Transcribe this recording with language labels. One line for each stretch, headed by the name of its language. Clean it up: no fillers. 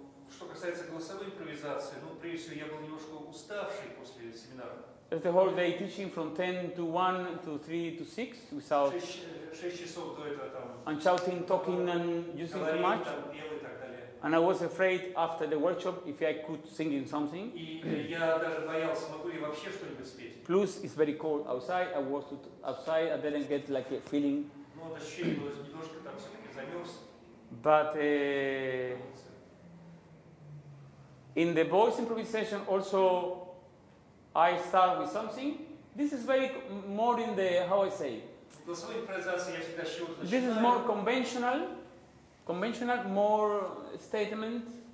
Russian: Что касается голосовой импровизации, ну, прежде всего, я был немножко уставший после семинара.
English: The whole day teaching from 10 to 1 to 3 to 6 without...
Russian: 6 часов до этого там...
English: And shouting, talking and using too much.
Russian: Там, пел и так далее.
English: And I was afraid after the workshop if I could sing in something.
Russian: И я даже боялся, могу ли вообще что-нибудь спеть.
English: Plus, it's very cold outside. I was outside. I didn't get like a feeling.
Russian: Ну, вот ощущение было немножко там все-таки замерз.
English: But... In the voice improvisation also, I start with something. This is very more in the, how I say? This is more conventional, more statement.